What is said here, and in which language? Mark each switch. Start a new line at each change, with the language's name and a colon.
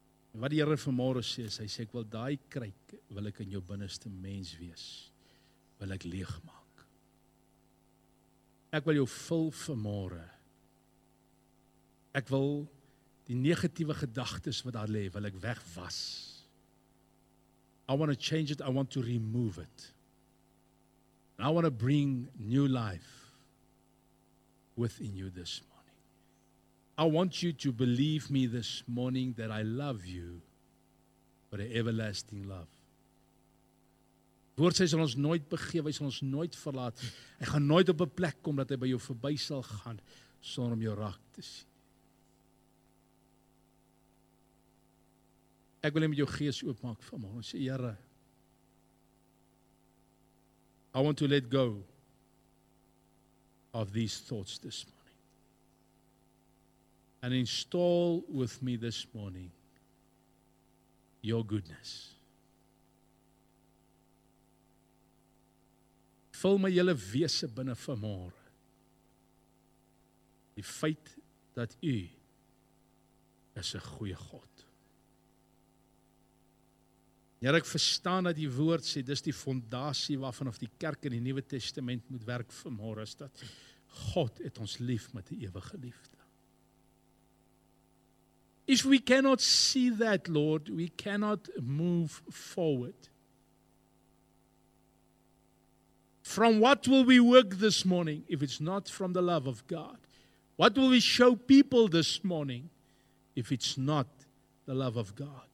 Afrikaans: En wat die Here vanmôre sê, hy sê, ek wil daai kruik, wil ek in jou binneste mens wees, wil ek leeg maak. Ek wil jou vul vanmôre. Ek wil die negatiewe gedagtes wat daar lê, wil ek wegwas.
English: I want to change it, I want to remove it. And I want to bring new life within you this morning. I want you to believe me this morning that I love you with an everlasting love.
Afrikaans: Woord sê, hy sal ons nooit begeef, hy sal ons nooit verlaat. Hy gaan nooit op 'n plek kom dat hy by jou verby sal gaan sonder om jou raak te sien. Ek wil hê met jou gees oopmaak vanmôre. Sê, Here,
English: I want to let go of these thoughts this morning. And install with me this morning your goodness.
Afrikaans: Vul my hele wese binne vanmôre. Die feit dat u is 'n goeie God. Ja, ek verstaan dat die woord sê, dis die fondasie waarvan of die kerk in die Nuwe Testament moet werk vanmôre, is dat God het ons lief met die ewige liefde.
English: If we cannot see that, Lord, we cannot move forward. From what will we work this morning, if it's not from the love of God? What will we show people this morning, if it's not the love of God?